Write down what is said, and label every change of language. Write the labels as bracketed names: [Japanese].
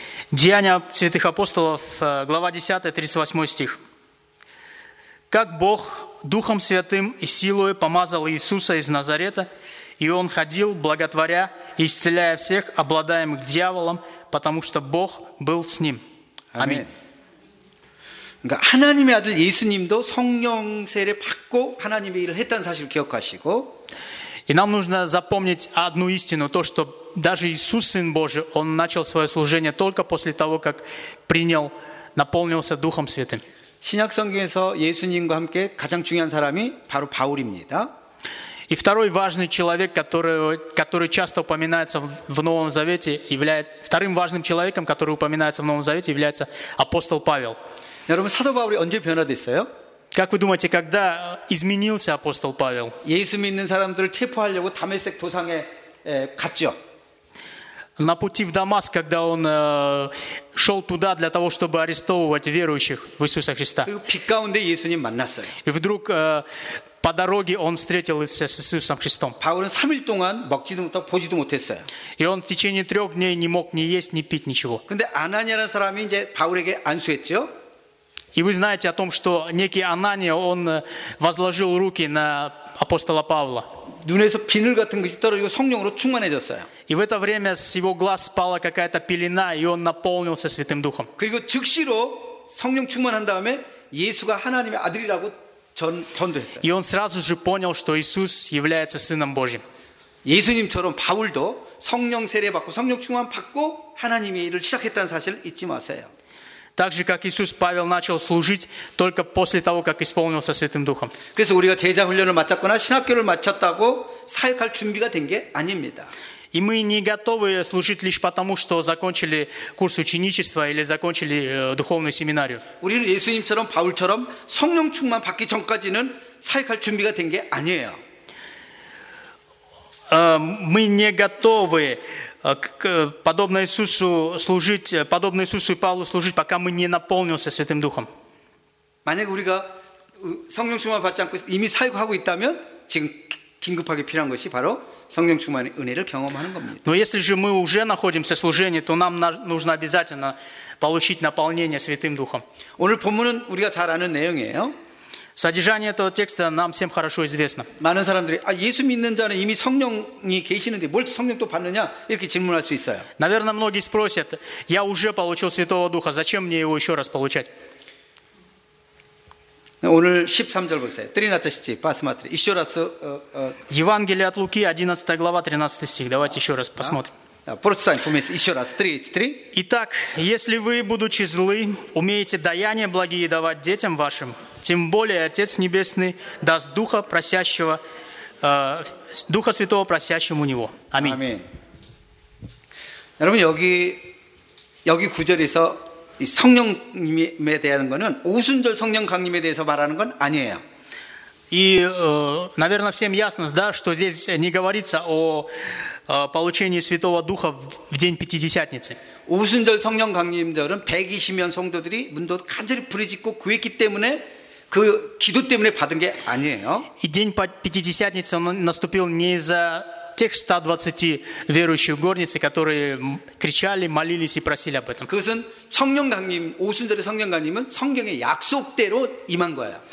[Russian] Деяния святых апостолов, глава 10, 38 стих. Как Бог Духом Святым и силой помазал Иисуса из Назарета, и Он ходил, благотворя и исцеляя всех, обладаемых дьяволом, потому что Бог был с Ним. Аминь. [Korean] 그러니까 하나님의 아들 예수님도 성령 세례 받고 하나님의 일을 했다는 사실을 기억하시고. [Russian] И нам нужно запомнить одну истину, то, что даже Иисус, Сын Божий, Он начал свое служение только после того, как принял, наполнился Духом Святым. [Korean] 신약성경에서 예수님과 함께 가장 중요한 사람이 바로 바울입니다. [Russian] И второй важный человек, который часто упоминается в Новом Завете, вторым важным человеком, который упоминается в Новом Завете, является апостол Павел. [Korean] 여러분, 사도 바울이 언제 변화됐어요? [Russian] Как вы думаете, когда изменился апостол Павел? [Korean] 예수 믿는 사람들을 체포하려고 다메섹 도상에 갔죠. [Russian] На пути в Дамаск, когда он шел туда для того, чтобы арестовывать верующих в Иисуса Христа. [Korean] 그리고 빛 가운데 예수님 만났어요. [Russian] И вдруг по дороге он встретился с Иисусом Христом. [Korean] 바울은 3일 동안 먹지도 못하고 보지도 못했어요. [Russian] И он в течение 3 дней не мог ни есть, ни пить ничего. [Korean] 근데 아나니아라는 사람이 이제 바울에게 안수했죠. [Russian] И вы знаете о том, что некий Анания, он возложил руки на апостола Павла. [Korean] 눈에서 비늘 같은 것이 떨어지고 성령으로 충만해졌어요. [Russian] И в это время с его глаз спала какая-то пелена, и он наполнился Святым Духом. [Korean] 그리고 즉시로 성령 충만한 다음에 예수가 하나님의 아들이라고 전도했어요. [Russian] И он сразу же понял, что Иисус является Сыном Божьим. [Korean] 예수님처럼 바울도 성령 세례 받고 성령 충만 받고 하나님의 일을 시작했다는 사실 잊지 마세요. [Russian] Так же, как Иисус, Павел начал служить только после того, как исполнился Святым Духом. [Korean] 그래서 우리가 제자 훈련을 마쳤거나 신학교를 마쳤다고 사역할 준비가 된 게 아닙니다. [Russian] И мы не готовы служить лишь потому, что закончили курс ученичества или закончили духовную семинарию. [Korean] 우리는 예수님처럼 바울처럼 성령 충만 받기 전까지는 사역할 준비가 된 게 아니에요. [Russian] Мы не готовы подобно Иисусу служить, подобно Иисусу и Павлу служить, пока мы не наполнился Святым Духом. [Korean] 만약 우리가 성령 충만 받지 않고 이미 사역하고 있다면 지금 긴급하게 필요한 것이 바로 성령 충만의 은혜를 경험하는 겁니다. [Russian] Но если же мы уже находимся в служении, то нам нужно обязательно получить наполнение Святым Духом. [Korean] 오늘 본문은 우리가 잘 아는 내용이에요. [Russian] Содержание этого текста нам всем хорошо известно. [Korean] 많은 사람들이 아 예수 믿는 자는 이미 성령이 계시는데 뭘 성령 또 받느냐 이렇게 질문할 수 있어요. [Russian] Наверное, многие спросят: я уже получил Святого Духа, зачем мне его еще раз получать? [Korean] 오늘 13절 보세요. 드리나타시티 바스마트리 이쇼라스 [Russian] Евангелие от Луки 11 глава 13 стих. Давайте еще раз посмотрим. прочитаем вместе еще раз. 3:3. Итак, если вы, будучи злы, умеете даяния благие давать детям вашим, тем более Отец Небесный даст Духа просящего, Духа Святого просящему у Него. Аминь. [Korean] 여러분, 여기 구절에서 이 성령님에 대한 것은 오순절 성령 강림에 대해서 말하는 건 아니에요. [Russian] И, наверное, всем ясно, да, что здесь не говорится о получении Святого Духа в день Пятидесятницы. [Korean] 오순절 성령 강림절은 120명 성도들이 문도 간절히 부르짖고 구했기 때문에 그 기도 때문에 받은 게 아니에요. [Russian] И день Пятидесятницы наступил не из-за тех 120 верующих в горнице, которые кричали, молились и просили об этом. [Korean] 그것은 성령 강림, 오순절의 성령 강림은 성경의 약속대로 임한 거야.